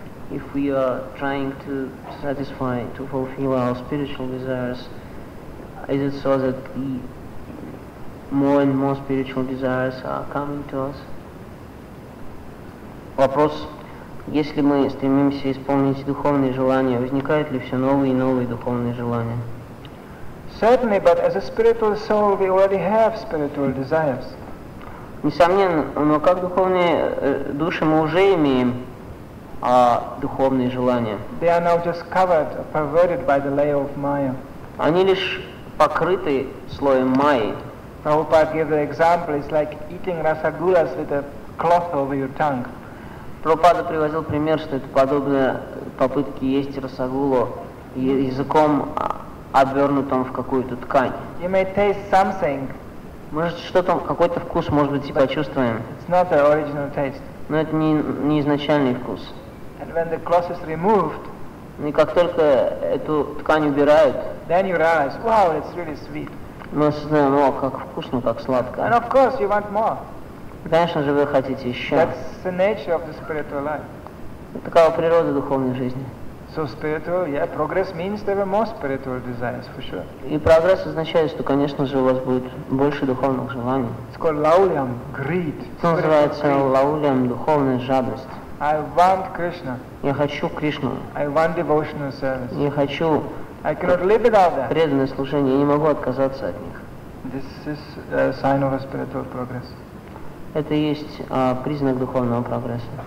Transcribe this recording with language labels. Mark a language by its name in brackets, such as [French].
[English] If we are trying to satisfy, to fulfill our spiritual desires, is it so that more and more spiritual desires are coming to us? [Russian] Вопрос, если мы стремимся исполнить духовные желания, возникают ли все новые и новые духовные желания? [English] Certainly, but as a spiritual soul, we already have spiritual desires. [Russian] Несомненно, но как духовные души мы уже имеем духовные желания. [English] They are now just covered, perverted by the layer of Maya. [Russian] Они лишь покрыты слоем Майи. [English] Prabhupada gave the example, it's like eating rasagulas with a cloth over your tongue. [Russian] Прабхупада привозил пример, что это подобно попытке есть расагулу языком, обернутым в какую-то ткань. [English] You may taste something. [Russian] Может, что-то, какой-то вкус, может быть, и почувствуем. [English] It's not the original taste. [Russian] Но это не изначальный вкус. [English] And when the cloth is removed, [Russian] и как только эту ткань убирают, [English] then you realize, wow, it's really sweet. [Russian] Мы осознаем, о, как вкусно, как сладко. [English] And of course, you want more. [Russian] Конечно же, вы хотите еще. [English] That's the nature of the spiritual life. [Russian] Это такова природа духовной жизни. [English] So spiritual, yeah, progress means there are more spiritual desires, for sure. [Russian] И прогресс означает, что, конечно же, у вас будет больше духовных желаний. [English] It's called lauliam, greed. [Russian] Это называется lauliam, духовная жадность. [English] I want Krishna. [Russian] Я хочу Кришну. [English] I want devotional service. [Russian] Я хочу [English] I cannot live without that. [Russian] Преданное служение, я не могу отказаться от них. [English] This is a sign of a spiritual progress. [Russian] Это и есть признак духовного прогресса.